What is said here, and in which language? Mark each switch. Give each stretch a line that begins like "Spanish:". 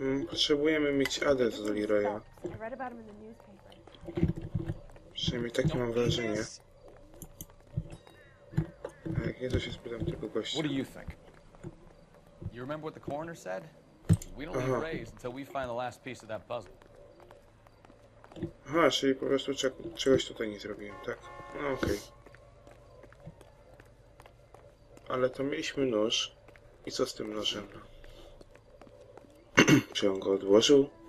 Polish: Potrzebujemy mieć adres do Leroya. Przynajmniej takie mam wrażenie. A jak nie, to się spytam tego gościa.
English: You remember what the coroner said? We don't leave Rays until we find the last piece of that puzzle.
Polish: Aha, czyli po prostu czegoś tutaj nie zrobiłem, tak? No okej. Ale to mieliśmy nóż. I co z tym nożem? Czy on go odłożył?